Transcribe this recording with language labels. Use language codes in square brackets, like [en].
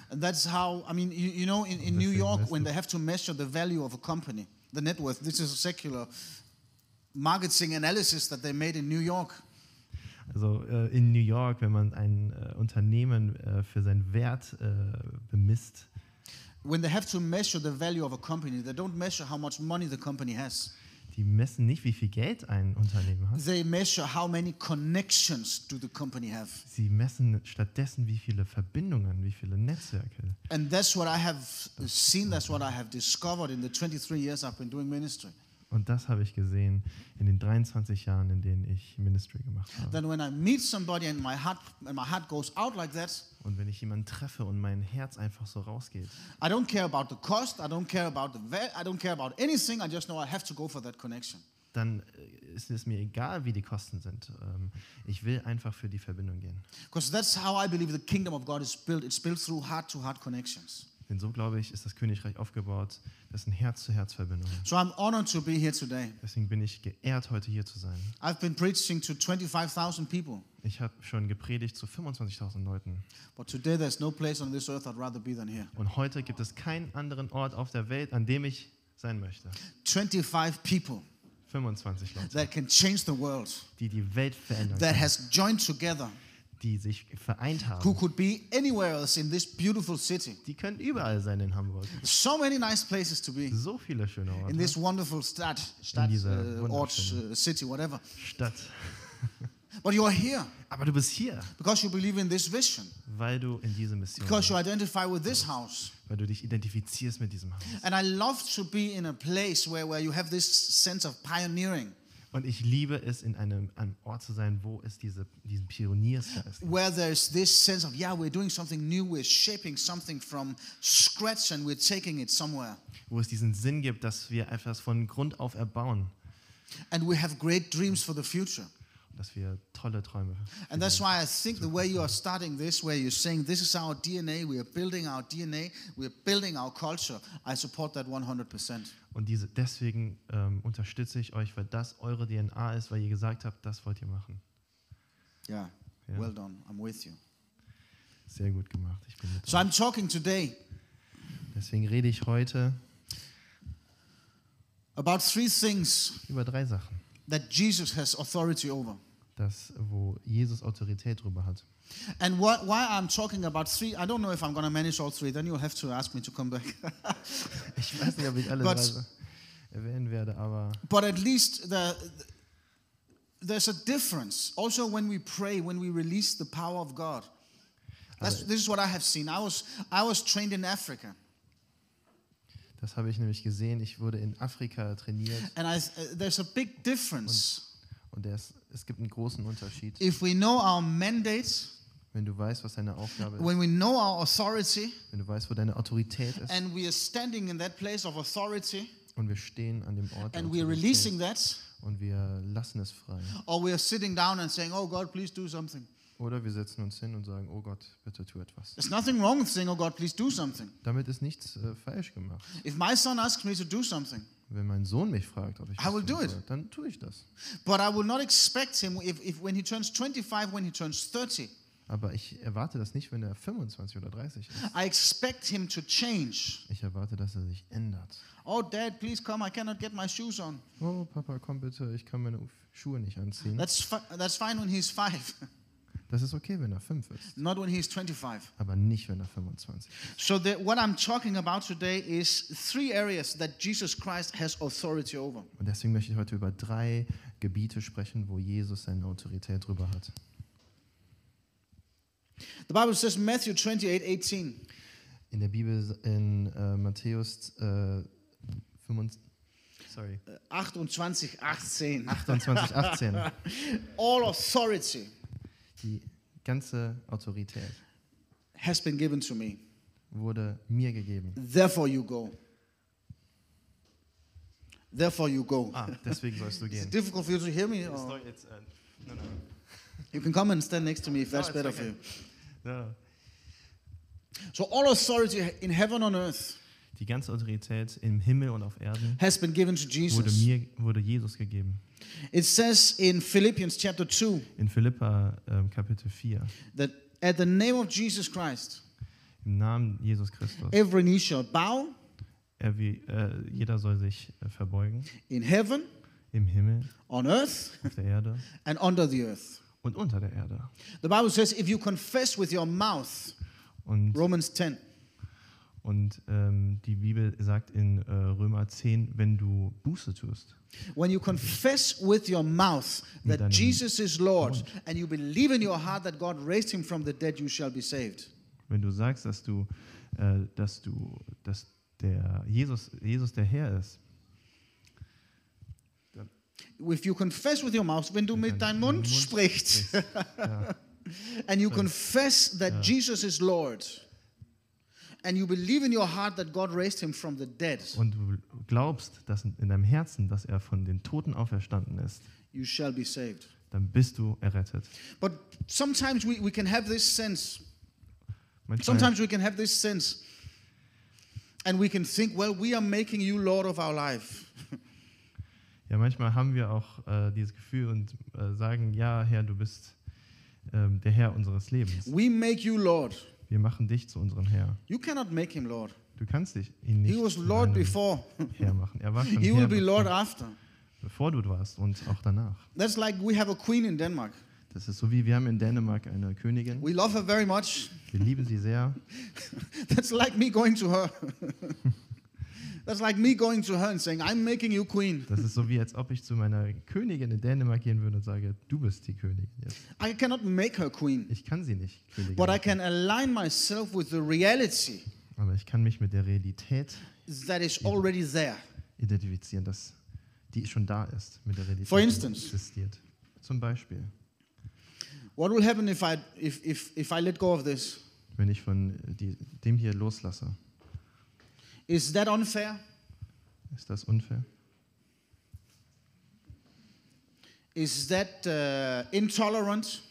[en] And that's how, I mean, you know, in New York, when they have to measure the value of a company, the net worth, this is a secular marketing analysis that they made in New York. [de] Also in New York, wenn man ein Unternehmen für seinen Wert bemisst. [en] When they have to measure the value of a company, they don't measure how much money the company has. [de] Die messen nicht, wie viel Geld ein Unternehmen hat. [en] They measure how many connections do the company have. [de] Sie messen stattdessen, wie viele Verbindungen, wie viele Netzwerke. [en] And that's what I have seen, that's what I have discovered in the 23 years I've been doing ministry. [de] Und das habe ich gesehen in den 23 Jahren, in denen ich Ministry gemacht habe. [en] Then when I meet somebody and my heart goes out like that. [de] Und wenn ich jemanden treffe und mein Herz einfach so rausgeht. [en] I don't care about the cost, I don't care about the I don't care about anything, I just know I have to go for that connection. [de] Dann ist es mir egal, wie die Kosten sind. Ich will einfach für die Verbindung gehen. [en] Because that's how I believe the kingdom of God is built. It's built through heart-to-heart connections. [de] Denn so, glaube ich, ist das Königreich aufgebaut, das sind Herz-zu-Herz-Verbindungen. [en] So I'm honored to be here today. [de] Deswegen bin ich geehrt, heute hier zu sein. [en] I've been preaching to 25,000 people. [de] Ich habe schon gepredigt zu 25,000 Leuten. [en] But today there's no place on this earth I'd rather be than here. [de] Und heute gibt es keinen anderen Ort auf der Welt, an dem ich sein möchte. [en] 25 people. [de] 25 Leute. [en] That can change the world. [de] Die die Welt verändern. [en] That has joined together. [de] Die sich vereint haben. [en] Who could be anywhere else in this beautiful city? [de] Die können überall sein in Hamburg. [en] So many nice places to be. [de] So viele schöne Orte. [en] In this wonderful city, whatever. [de] Stadt. [en] But you are here. [de] Aber du bist hier. [en] Because you believe in this vision. [de] Weil du in diese Mission. [en] Because you identify with this house. [de] Weil du dich identifizierst mit diesem Haus. [en] And I love to be in a place where you have this sense of pioneering. [de] Und ich liebe es, in einem Ort zu sein, wo es diesen Pioniersgeist gibt. [en] Where there's this sense of, yeah, we're doing something new, we're shaping something from scratch and we're taking it somewhere. [de] Wo es diesen Sinn gibt, dass wir etwas von Grund auf erbauen. [en] And we have great dreams for the future. [de] Dass wir tolle Träume haben. [en] And that's why I think the way you are starting this, where you're saying, this is our DNA, we are building our DNA, we are building our culture, I support that 100%. [de] Und deswegen unterstütze ich euch, weil das eure DNA ist, weil ihr gesagt habt, das wollt ihr machen. [en] Yeah, ja. Well done, I'm with you. [de] Sehr gut gemacht, ich bin mit so euch. [en] I'm talking today. [de] Deswegen rede ich heute [en] about three things. [de] Über drei Sachen. [en] That Jesus has authority over. [de] Das, wo Jesus Autorität drüber hat. [en] And why I'm talking about three, I don't know if I'm going to manage all three, then you'll have to ask me to come back. [de] Ich weiß nicht, ob ich alle drei erwähnen werde, aber... [en] But at least there's a difference. Also when we pray, when we release the power of God. This is what I have seen. I was trained in Africa. [de] Das habe ich nämlich gesehen. Ich wurde in Afrika trainiert. [en] And there's a big difference. [de] Es gibt einen großen Unterschied. [en] If we know our mandate, [de] wenn du weißt, was deine Aufgabe ist. [en] When we know our authority, [de] wenn du weißt, wo deine Autorität ist. [en] And we are standing in that place of authority. [de] Und wir stehen an dem Ort. [en] And we are releasing that. [de] Und wir lassen es frei. [en] Or we are sitting down and saying, "Oh God, please do something." [de] Oder wir setzen uns hin und sagen, oh Gott, bitte tu etwas. [en] There's nothing wrong with saying, oh God, please do something. [de] Damit ist nichts falsch gemacht. [en] If my son asks me to do something, [de] wenn mein Sohn mich fragt, ob ich [en] I will do it. [de] Dann tue ich das. [en] But I will not expect him if when he turns 25, when he turns 30. [de] Aber ich erwarte das nicht, wenn er 25 oder 30 ist. [en] I expect him to change. [de] Ich erwarte, dass er sich ändert. [en] Oh Dad, please come, I cannot get my shoes on. [de] Oh Papa, komm bitte, ich kann meine Schuhe nicht anziehen. [en] That's fine when he's 5. [de] Das ist okay, wenn er 5 ist. [en] Not when he is 25. [de] Aber nicht, wenn er 25 ist. [en] So what I'm talking about today is three areas that Jesus Christ has authority over. [de] Und deswegen möchte ich heute über drei Gebiete sprechen, wo Jesus seine Autorität drüber hat. [en] The Bible says Matthew 28:18. [de] In der Bibel in Matthäus 25. Sorry. 28:18. 28:18. [en] All authority. [de] Die ganze Autorität [en] has been given to me. [de] Wurde mir gegeben. [en] Therefore you go. Therefore you go. [de] Ah, deswegen sollst du gehen. [en] Is it difficult for you to hear me? It's No. You can come and stand next to me if that's better for you. No. So all authority in heaven on earth. [de] Die ganze Autorität im Himmel und auf Erden [en] has been given to Jesus. [de] Wurde Jesus gegeben. [en] It says in Philippians chapter 2. [de] In Philippa Kapitel 4. [en] That at the name of Jesus Christ. [de] Im Namen Jesus Christus. [en] Every knee shall bow. [de] Jeder soll sich verbeugen. [en] In heaven. [de] Im Himmel. [en] On earth. [de] Auf der Erde. [en] And under the earth. [de] Und unter der Erde. [en] The Bible says if you confess with your mouth. [de] Und [en] Romans 10. [de] Und die Bibel sagt in Römer 10, wenn du Buße tust. [en] When you confess with your mouth that Jesus is Lord and you believe in your heart that God raised him from the dead, you shall be saved. [de] Wenn du sagst, dass der Jesus der Herr ist. [en] If you confess with your mouth, [de] wenn du mit deinem Mund sprichst. [en] And you confess that Jesus is Lord. And you believe in your heart that God raised him from the dead. [de] Und du glaubst, dass in deinem Herzen, dass er von den Toten auferstanden ist. [en] You shall be saved. [de] Dann bist du errettet. [en] But sometimes we can have this sense. Sometimes we can have this sense. And we can think, well, we are making you Lord of our life. [de] Ja, manchmal haben wir auch dieses Gefühl und sagen, ja, Herr, du bist der Herr unseres Lebens. [en] We make you Lord. [de] Wir machen dich zu unserem Herr. [en] You cannot make him Lord. [de] Du kannst dich ihn nicht. [en] He was Lord before. [de] Herr machen. Er war schon [en] He [de] Herr [en] will be Lord after. [de] Bevor du warst und auch danach. [en] That's like we have a queen in Denmark. [de] Das ist so wie wir haben in Dänemark eine Königin. [en] We love her very much. [de] Wir lieben sie sehr. [en] That's like me going to her. That's like me going to her and saying I'm making you queen. [de] Das ist so wie als ob ich zu meiner Königin in Dänemark gehen würde und sage, du bist die Königin jetzt. [en] I cannot make her queen. [de] Ich kann sie nicht Königin. [en] But I can align myself with the reality. [de] Aber ich kann mich mit der Realität. [en] That is already there. [de] Identifizieren, dass die schon da ist mit der Realität. [en] For instance. [de] Existiert. Zum Beispiel. [en] What will happen if I let go of this? [de] Wenn ich von dem hier loslasse. [en] Is that unfair? [de] Ist das unfair? [en] Is that intolerant?